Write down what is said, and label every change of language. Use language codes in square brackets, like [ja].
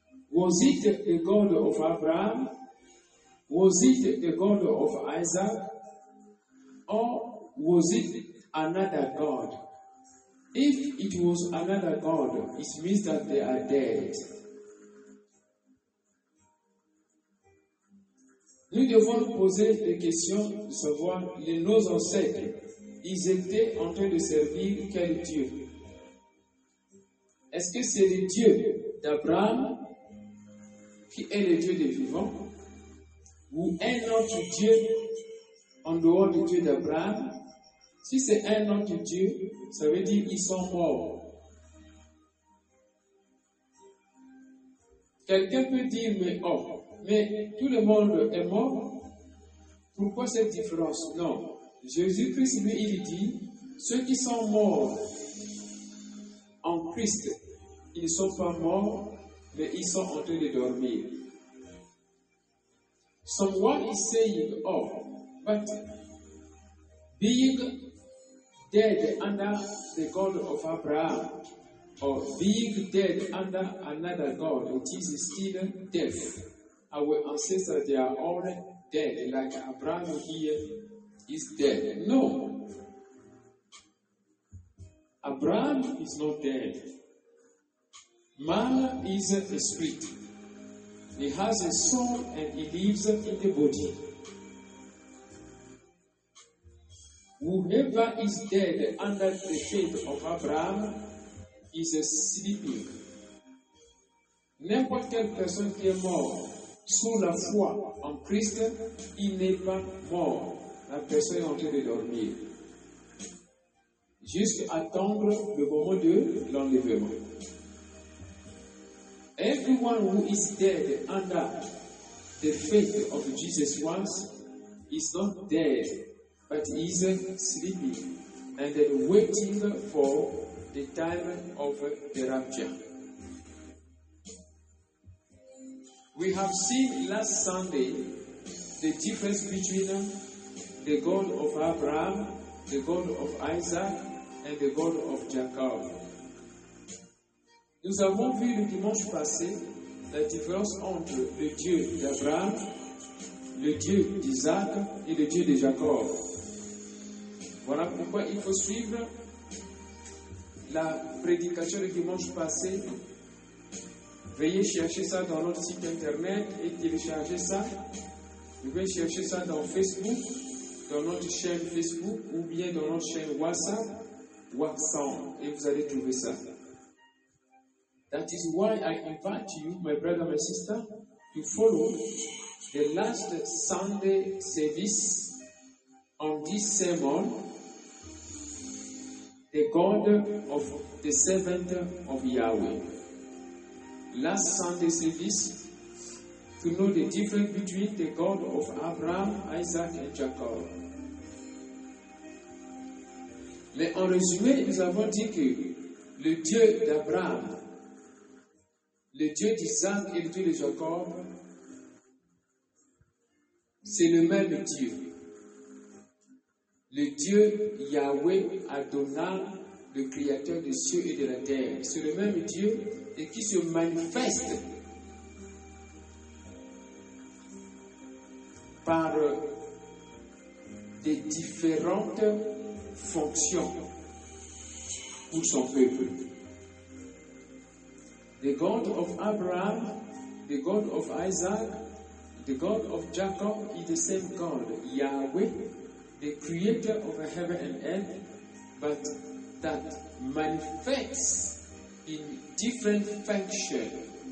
[en] Was it the God of Abraham? Was it the God of Isaac? Or was it another God? If it was another God, it means that they are dead. [fr] Nous devons nous poser des questions, de savoir nos ancêtres, ils étaient en train de servir quel Dieu? Est-ce que c'est le Dieu d'Abraham qui est le Dieu des vivants? Ou un autre Dieu en dehors du Dieu d'Abraham? Si c'est un autre Dieu, ça veut dire qu'ils sont morts. Quelqu'un peut dire, mais tout le monde est mort. Pourquoi cette différence? Non. Jésus-Christ, lui, il dit, ceux qui sont morts en Christ, ils ne sont pas morts, mais ils sont en train de dormir. [en] Someone is saying, but being dead under the God of Abraham, or being dead under another God, which is still death. Our ancestors, they are all dead, like Abraham here is dead. No. Abraham is not dead. Man is a spirit. He has a soul and he lives in the body. Whoever is dead under the shade of Abraham is sleeping. [fr] N'importe quelle personne qui est mort sous la foi en Christ, il n'est pas mort. La personne est en train de dormir. Juste attendre le moment de l'enlèvement. [en] Everyone who is dead under the faith of Jesus Christ is not dead, but is sleeping and waiting for the time of the rapture. We have seen last Sunday the difference between the God of Abraham, the God of Isaac, and the God of Jacob. [fr] Nous avons vu le dimanche passé la différence entre le Dieu d'Abraham, le Dieu d'Isaac et le Dieu de Jacob. Voilà pourquoi il faut suivre la prédication du dimanche passé. Veuillez chercher ça dans notre site internet et télécharger ça. Vous pouvez chercher ça dans Facebook, dans notre chaîne Facebook ou bien dans notre chaîne WhatsApp. what sound, et vous allez trouver ça. [en] That is why I invite you, my brother, my sister, to follow the last Sunday service on this sermon, the God of the servant of Yahweh. Last Sunday service, to know the difference between the God of Abraham, Isaac, and Jacob. [fr] Mais en résumé, nous avons dit que le Dieu d'Abraham, le Dieu d'Isaac et le Dieu de Jacob, c'est le même Dieu. Le Dieu Yahweh Adonai, le Créateur des cieux et de la terre. C'est le même Dieu et qui se manifeste par des différentes fonctions pour son peuple. [en] The God of Abraham, the God of Isaac, the God of Jacob is the same God, Yahweh, the creator of heaven and earth, but that manifests in different functions.